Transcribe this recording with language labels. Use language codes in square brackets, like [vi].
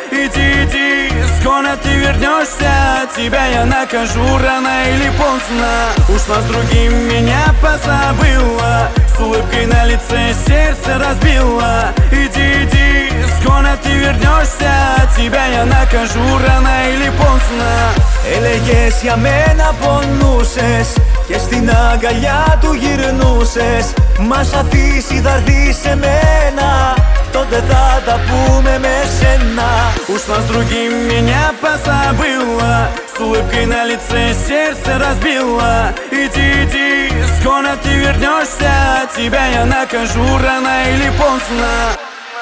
[ru] Иди, иди, скоро ты вернешься, тебя я накажу рано или поздно. Ушла с другим, меня позабыла, с улыбкой на лице сердце разбила. Иди, иди, скоро ты вернешься, тебя я накажу рано или поздно. [el] Έλεγες για μένα πονούσες και στην αγκαλιά του γυρνούσες. Μας αφήσει θα έρθεις σε μένα, τότε θα τα πούμε με σένα. [ru] Ушла с другим, меня позабыла, с улыбкой на лице сердце разбила. Иди, иди, скоро ты вернешься, тебя я накажу рано или поздно.